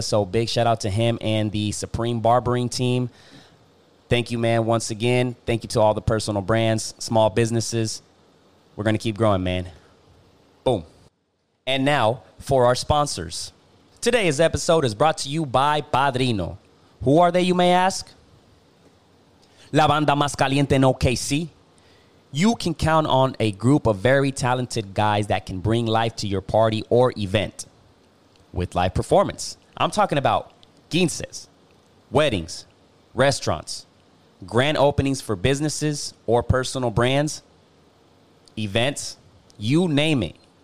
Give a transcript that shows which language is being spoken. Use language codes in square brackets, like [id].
[en] So big shout out to him and the Supreme Barbering team. Thank you, man, once again. Thank you to all the personal brands, small businesses. We're going to keep growing, man. Boom. And now for our sponsors. Today's episode is brought to you by Padrino. Who are they, you may ask? [es] La banda más caliente en OKC. [en] You can count on a group of very talented guys that can bring life to your party or event with live performance. I'm talking about quinces, weddings, restaurants, grand openings for businesses or personal brands, events, you name it.